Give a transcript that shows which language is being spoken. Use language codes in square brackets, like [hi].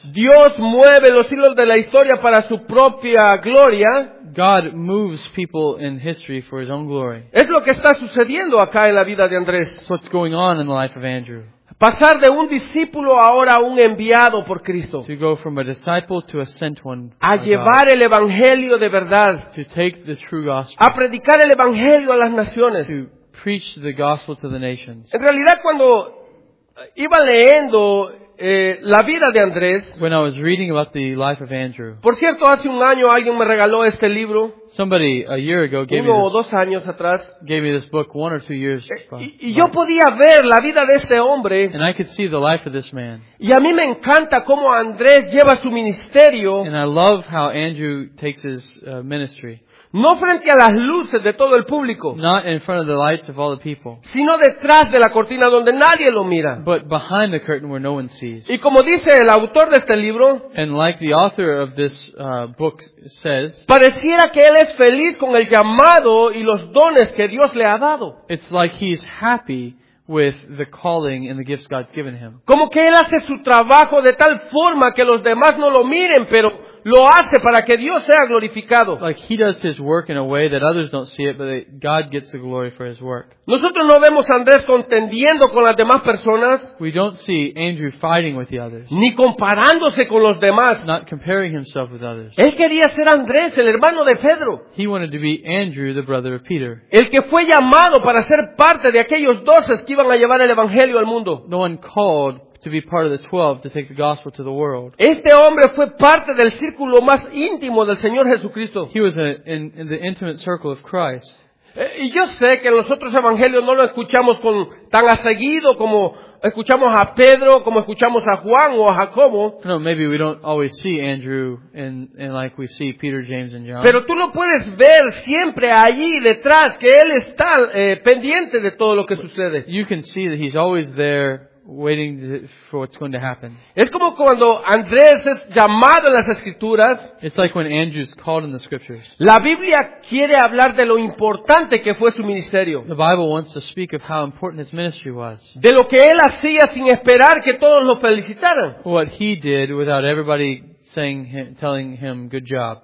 [es] Dios mueve los hilos de la historia para su propia gloria. [en] God moves people in history for his own glory. [es] Es lo que está sucediendo acá en la vida de Andrés. [en] It's what's going on in the life of Andrew. [es] Pasar de un discípulo ahora a un enviado por Cristo. [en] To go from a disciple to a sent one. [es] A llevar el evangelio de verdad. [en] To take the true gospel. [es] A predicar el evangelio a las naciones. [en] To preach the gospel to the nations. [es] En realidad, cuando iba leyendo la vida de Andrés. [en] When I was reading about the life of Andrew. [es] Por cierto, hace un año alguien me regaló este libro. [en] Somebody a year ago gave me this. [es] Uno o dos años atrás. [en] Gave me this book 1 or 2 years ago. [es] Y yo podía ver la vida de este hombre. [en] And I could see the life of this man. [es] Y a mí me encanta cómo Andrés lleva su ministerio. [en] And I love how Andrew takes his ministry. [es] No frente a las luces de todo el público. [en] Not in front of the lights of all the people. [es] Sino detrás de la cortina donde nadie lo mira. [en] But behind the curtain where no one sees. [es] Y como dice el autor de este libro. [en] And like the author of this book says. [es] Pareciera que él es feliz con el llamado y los dones que Dios le ha dado. [en] It's like he's happy with the calling and the gifts God's given him. [es] Como que él hace su trabajo de tal forma que los demás no lo miren, pero lo hace para que Dios sea glorificado. [en] Like he does his work in a way that others don't see it, but God gets the glory for his work. [es] Nosotros no vemos a Andrés contendiendo con las demás personas. [en] We don't see Andrew fighting with the others. [es] Ni comparándose con los demás. [en] Not comparing himself with others. [es] Él quería ser Andrés, el hermano de Pedro. [en] He wanted to be Andrew, the brother of Peter. [es] El que fue llamado para ser parte de aquellos doces que iban a llevar el evangelio al mundo. [en] The one called to be part of the 12 to take the gospel to the world. [es] Este hombre fue parte del círculo más íntimo del Señor Jesucristo. [en] He was in the intimate circle of Christ. [es] Y yo sé que los otros evangelios no lo escuchamos con tan a seguido como escuchamos a Pedro, como escuchamos a Juan o a Jacobo. [en] No, maybe we don't always see Andrew and like we see Peter, James and John. [es] Pero tú lo puedes ver siempre allí detrás, que él está pendiente de todo lo que sucede. [en] You can see that he's always there waiting for what's going to happen. [es] Es como cuando Andrés es llamado en las escrituras. [en] It's like when Andrew's called in the scriptures. [es] La Biblia quiere hablar de lo importante que fue su ministerio. [en] The Bible wants to speak of how important his ministry was. [es] De lo que él hacía sin esperar que todos lo felicitaran. [en] What he did without everybody telling him good job.